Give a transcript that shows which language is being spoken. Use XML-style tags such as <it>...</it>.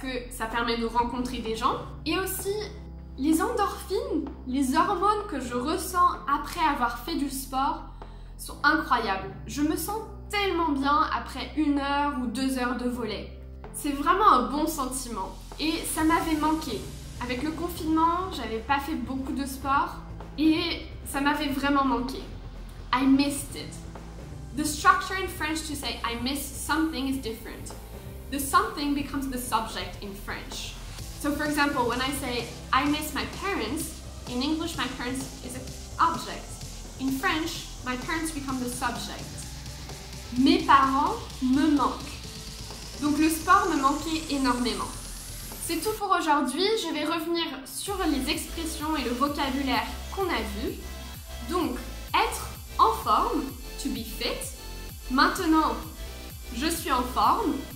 <fr>Ça permet de rencontrer des gens et aussi les endorphines, les hormones que je ressens après avoir fait du sport sont incroyables. Je me sens tellement bien après une heure ou deux heures de volley. C'est vraiment un bon sentiment et ça m'avait manqué. Avec le confinement, j'avais pas fait beaucoup de sport et ça m'avait vraiment manqué.</fr> <en>I missed it. The structure in French to say I miss something is different. The something becomes the subject in French. So for example, when I say, I miss my parents, in English, my parents is an object. In French, my parents become the subject.</en> <fr>Mes parents me manquent. Donc le sport me manquait énormément. C'est tout pour aujourd'hui. Je vais revenir sur les expressions et le vocabulaire qu'on a vu. Donc, être en forme,</fr> <en>to be fit.</en> <fr>Maintenant, je suis en forme.</fr>